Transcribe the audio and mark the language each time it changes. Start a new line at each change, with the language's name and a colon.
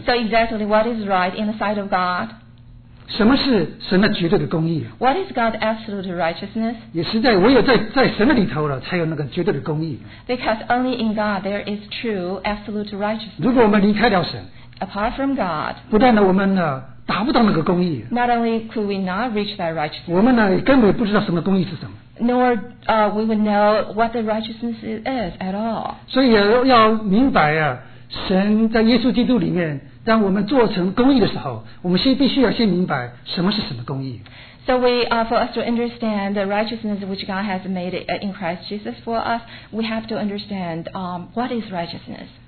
English: So exactly what is right in the sight of God?
Chinese: 什么是神的绝对的公义？
English: What is God's absolute righteousness?
Chinese: 也实在唯有在神的里头了，才有那个绝对的公义。
English: Because only in God there is true absolute righteousness.
Chinese: 如果我们离开了神，
English: Apart from God,
Chinese: 不但呢，我们呢达不到那个公义。
English: Not only could we not reach that righteousness,
Chinese: 我们呢根本不知道什么公义是什么。
English: Nor we would know what the righteousness is at all.
Chinese: 所以要明白啊，神在耶稣基督里面，当我们做成公义的时候，我们先必须要先明白什么是什么公义。
English: So we, for us to understand the righteousness which God has made in Christ Jesus for us, we have to understand what is righteousness.